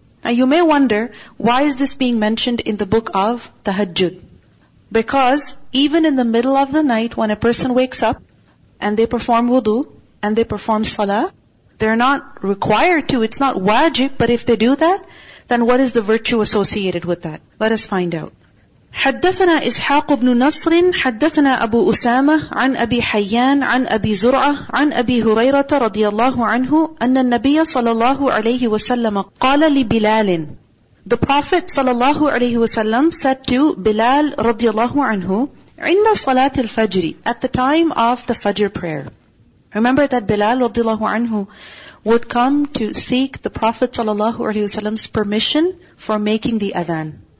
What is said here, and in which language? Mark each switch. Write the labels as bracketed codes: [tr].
[en] Now you may wonder, why is this being mentioned in the book of Tahajjud? Because even in the middle of the night, when a person wakes up and they perform wudu and they perform salah, they're not required to, it's not wajib, but if they do that, then what is the virtue associated with that? Let us find out. [ar] حدثنا إسحاق بن نصر حدثنا أبو أسامة عن أبي حيان عن أبي زرعة عن أبي هريرة رضي الله عنه أن النبي صلى الله عليه وسلم قال لبلال. [en] The Prophet sallallahu alaihi wasallam said to Bilal radiyallahu anhu, [ar] "Inna salat al-fajri," [en] at the time of the Fajr prayer. Remember that Bilal radiyallahu anhu would come to seek the Prophet sallallahu alaihi wasallam's permission for making the adhan.